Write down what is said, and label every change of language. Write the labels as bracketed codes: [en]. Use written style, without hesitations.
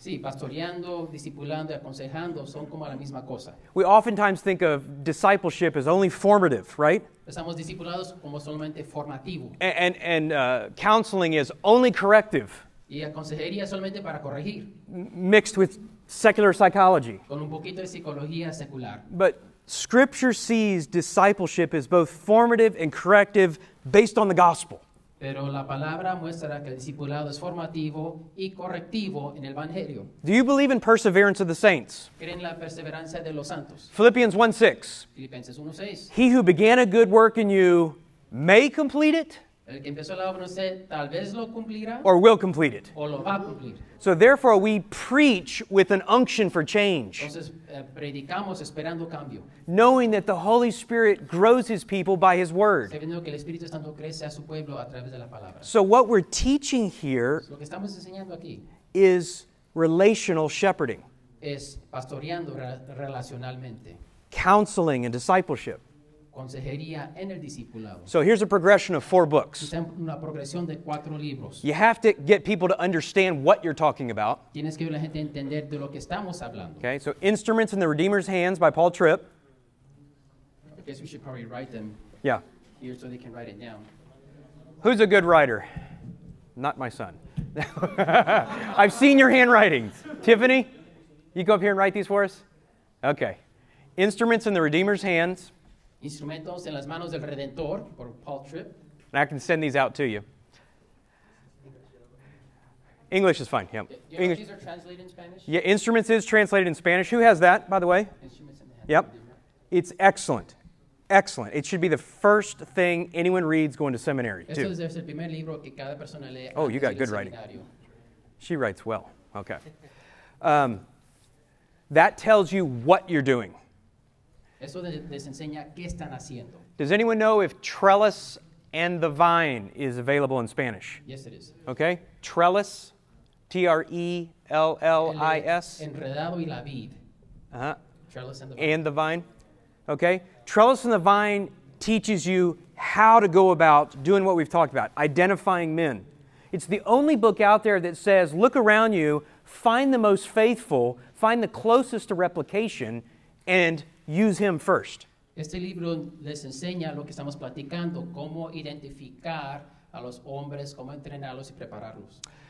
[es] Sí, pastoreando, discipulando, aconsejando son como la misma cosa. [en] We oftentimes think of discipleship as only formative, right? [es] Pensamos discipulados como solamente formativo. [en] And counseling is only corrective. [es] Y aconsejería solamente para corregir. [en] Mixed with secular psychology. [es] Con un poquito de psicología secular. [en] But Scripture sees discipleship as both formative and corrective based on the gospel. [es] Pero la palabra muestra que el discipulado es formativo y correctivo en el evangelio. [en] Do you believe in perseverance of the saints? [es] ¿Creen la perseverancia de los santos? [en] Philippians 1:6. [es] Filipenses 1:6. [en] He who began a good work in you may complete it. [es] El que empezó la obra en usted tal vez lo cumplirá. [en] Or will complete it. [es] O lo va a cumplir. [en] So therefore we preach with an unction for change. [es] Entonces, predicamos esperando cambio. [en] Knowing that the Holy Spirit grows his people by his word. [es] Sabiendo que el Espíritu Santo crece a su pueblo a través de la palabra. [en] So what we're teaching here [es] lo que estamos enseñando aquí [en] is relational shepherding. [es] Es pastoreando relacionalmente. [en] Counseling and discipleship. [es] Consejería en el discipulado. [en] So here's a progression of four books. [es] Una progresión de cuatro libros. [en] You have to get people to understand what you're talking about. [es] Tienes que ver a la gente entender de lo que estamos hablando. [en] Okay, so Instruments in the Redeemer's Hands by Paul Tripp. I guess we should probably write them. Yeah. Here so they can write it down. Who's a good writer? Not my son. I've seen your handwriting. Tiffany, you go up here and write these for us? Okay. Instruments in the Redeemer's Hands. [es] Instrumentos en las manos del Redentor, por Paul Tripp. [en] And I can send these out to you. English is fine, yeah. You know, these are translated in Spanish? Yeah, Instruments is translated in Spanish. Who has that, by the way? Instruments in the Hands. Yep. It's excellent. Excellent. It should be the first thing anyone reads going to seminary, too. [es] Este es el primer libro que cada persona lee. [en] Oh, you got good writing. She writes well. Okay. That tells you what you're doing. [es] Eso les enseña qué están haciendo. [en] Does anyone know if Trellis and the Vine is available in Spanish? Yes, it is. Okay. Trellis, T-R-E-L-L-I-S. [es] Enredado y la vid. Uh-huh. [en] Trellis and the Vine. And the Vine. Okay. Trellis and the Vine teaches you how to go about doing what we've talked about, identifying men. It's the only book out there that says, look around you, find the most faithful, find the closest to replication, and use him first. [es] Este libro les enseña lo que estamos platicando, cómo identificar a los hombres, cómo entrenarlos y prepararlos.